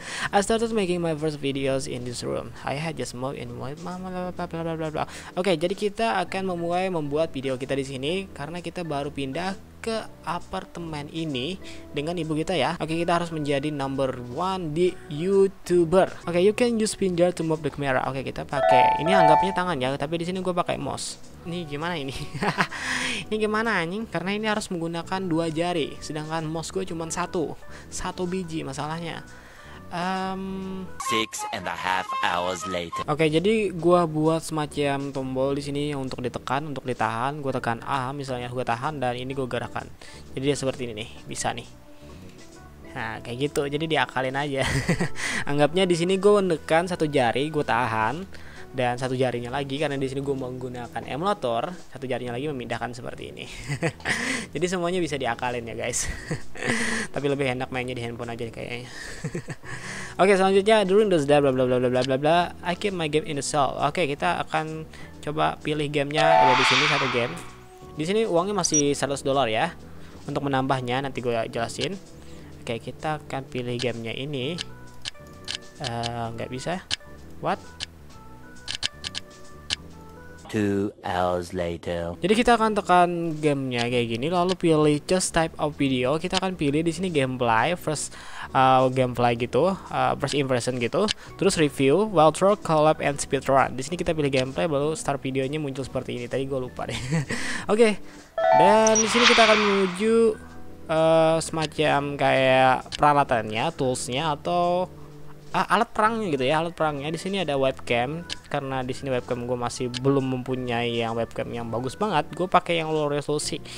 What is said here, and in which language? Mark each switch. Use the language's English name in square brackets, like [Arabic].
[English] I started making my first videos in this room. I had just moved in blah blah blah. [Indonesian] Okay, jadi kita akan memulai membuat video kita di sini karena kita baru pindah ke apartemen ini dengan ibu kita ya. Okay, kita harus menjadi number one di YouTuber. [English] Okay, you can use finger to move the camera. [Indonesian] Okay, kita pakai ini anggapnya tangan ya, tapi di sini gua pakai mouse. Ini gimana ini? Ini gimana anjing? Karena ini harus menggunakan dua jari, sedangkan mouse gue cuma satu. Satu biji masalahnya. [English] 6.5 hours later. [Indonesian] Oke, jadi gue buat semacam tombol di sini untuk ditekan, untuk ditahan. Gue tekan A misalnya, gue tahan dan ini gue gerakan. Jadi dia seperti ini nih, bisa nih. Nah, kayak gitu. Jadi diakalin aja. Anggapnya di sini gue menekan satu jari, gue tahan. Dan satu jarinya lagi karena di sini gue menggunakan emulator, satu jarinya lagi memindahkan seperti ini. Jadi semuanya bisa diakalin ya guys. Tapi lebih enak mainnya di handphone aja kayaknya. Oke, selanjutnya [English] during this day, blah blah blah, I keep my game in the cell. [Indonesian] Oke, kita akan coba pilih gamenya ada di sini, satu game. Di sini uangnya masih $100 ya. Untuk menambahnya nanti gue jelasin. Oke, kita akan pilih gamenya ini. Nggak bisa. [English] What? 2 hours later. [Indonesian] Jadi kita akan tekan gamenya kayak gini, lalu pilih [English] just type of video. [Indonesian] Kita akan pilih di sini gameplay, [English] first gameplay [Indonesian] gitu, [English] first impression [Indonesian] gitu. Terus [English] review, wild throw, collab, and speed run. [Indonesian] Di sini kita pilih gameplay, baru start videonya muncul seperti ini. Tadi gue lupa deh. Oke, dan di sini kita akan menuju semacam kayak peralatannya, toolsnya atau alat perangnya gitu ya, alat perangnya. Di sini ada webcam, karena di sini webcam gue masih belum mempunyai yang webcam yang bagus banget, gue pakai yang low resolusi.